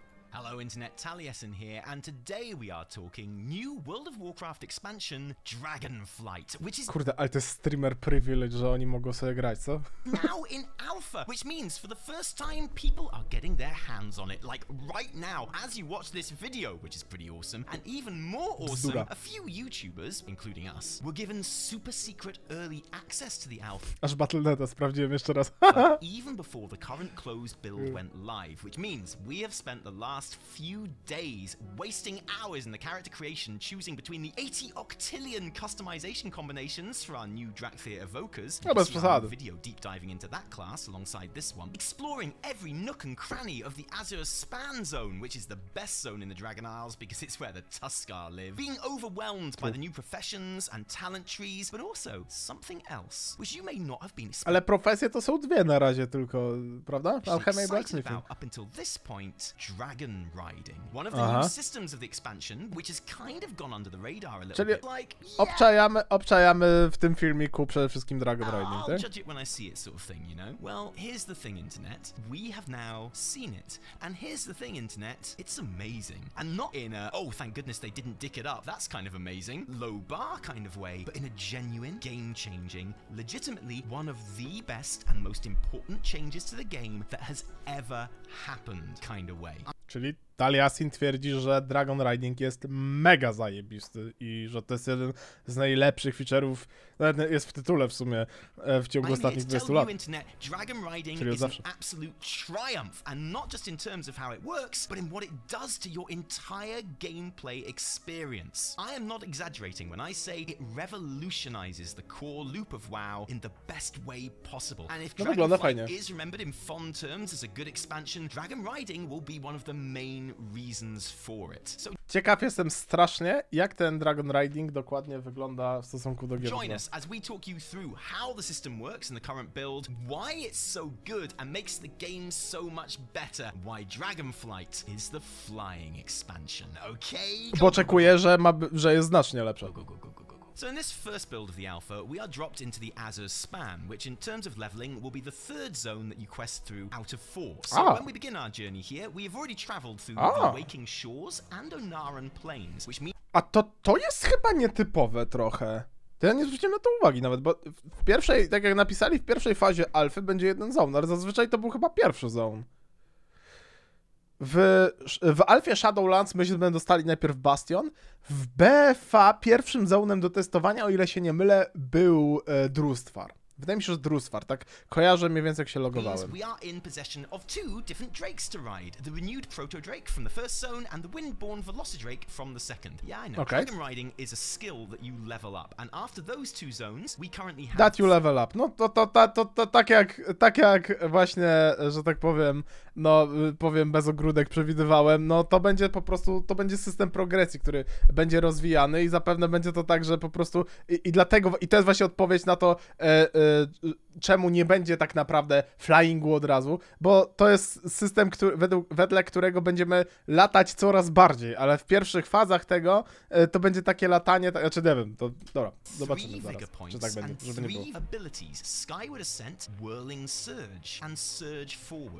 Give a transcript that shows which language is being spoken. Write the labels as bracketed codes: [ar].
[en] Hello internet, Taliesin here, and today we are talking new World of Warcraft expansion Dragonflight, which is [pl] kurde, ale to jest streamer privilege, że oni mogą sobie grać, co? [en] Now in alpha, which means for the first time people are getting their hands on it, like right now, as you watch this video, which is pretty awesome, and even more awesome, [pl] bzdura. [en] A few YouTubers, including us, were given super secret early access to the alpha. [pl] Aż Battle.net, sprawdziłem jeszcze raz. [en] But even before the current closed build went live, which means we have spent the last few days wasting hours in the character creation choosing between the 80 octillion customization combinations for our new Drakthyr evokers. [pl] No, bez przesady. [en] Video deep diving into that class alongside this one, exploring every nook and cranny of the Azure Span Zone, which is the best zone in the Dragon Isles because it's where the Tuskar live, being overwhelmed by the new professions and talent trees, but also something else which you may not have been expecting. [pl] Ale profesje to są dwie na razie tylko, prawda? Alchemy i Blacksmithing. [en] Up until this point, Dragon Riding, one of the new systems of the expansion, which has kind of gone under the radar a little [pl] Czyli [en] bit, like, [pl] obczajamy w tym filmiku przede wszystkim Dragon Riding, [en] I'll judge it when I see it sort of thing, you know? Well, here's the thing, internet, we have now seen it, and here's the thing, internet, it's amazing, and not in a, oh, thank goodness they didn't dick it up, that's kind of amazing, low bar kind of way, but in a genuine, game-changing, legitimately one of the best and most important changes to the game that has ever happened kind of way. [pl] Czyli Taliesin twierdzi, że Dragon Riding jest mega zajebisty i że to jest jeden z najlepszych feature'ów, jest w tytule w sumie, w ciągu ostatnich 20 lat. [en] Internet, Dragon Riding is an absolute triumph, and not just in terms of how it works, but in what it does to your entire gameplay experience. I am not exaggerating when I say it revolutionizes the core loop of WoW in the best way possible. And if Dragonflight is remembered in fond terms as a good expansion, Dragon Riding will be one of the main reasons for it. So [pl] ciekaw jestem strasznie, jak ten Dragon Riding dokładnie wygląda w stosunku do gier. [en] Join us as we talk you through how the system works in the current build, why it's so good and makes the game so much better, why Dragonflight is the flying expansion, okay? Go, [pl] oczekuję, [en] go, go. [pl] Że jest znacznie lepsze. [en] Go, go, go, go, go. So in this first build of the Alpha, we are dropped into the Azure Span, which in terms of leveling will be the third zone that you quest through out of four. So when we begin our journey here, we have already traveled through the Waking Shores and Onaran Plains, which means... [pl] A to jest chyba nietypowe trochę. To ja nie zwróciłem na to uwagi nawet, bo w pierwszej, tak jak napisali, w pierwszej fazie Alfy będzie jeden zone, ale zazwyczaj to był chyba pierwszy zone. W Alfie Shadowlands myśmy dostali najpierw Bastion, w BFA pierwszym zonem do testowania, o ile się nie mylę, był Drustwar. Wydaje mi się, że Drustwar, tak kojarzę mniej więcej, jak się logowałem. [en] We are in possession of two different drakes to ride. The renewed Proto Drake from the first zone and the Windborn Velocidrake from the second. Yeah, I know. Okay. Dragon riding is a skill that you level up. And after those two zones, we currently have... That you level up. [pl] No to tak jak właśnie, że tak powiem, no powiem bez ogródek przewidywałem, no to będzie po prostu, to będzie system progresji, który będzie rozwijany i zapewne będzie to tak, że po prostu... I to jest właśnie odpowiedź na to... czemu nie będzie tak naprawdę flyingu od razu, bo to jest system, który, wedle którego będziemy latać coraz bardziej, ale w pierwszych fazach tego to będzie takie latanie, znaczy nie wiem, to dobra, zobaczymy zaraz, czy tak będzie, żeby nie było. [en] Abilities, Skyward Ascent, Whirling Surge, and Surge Forward.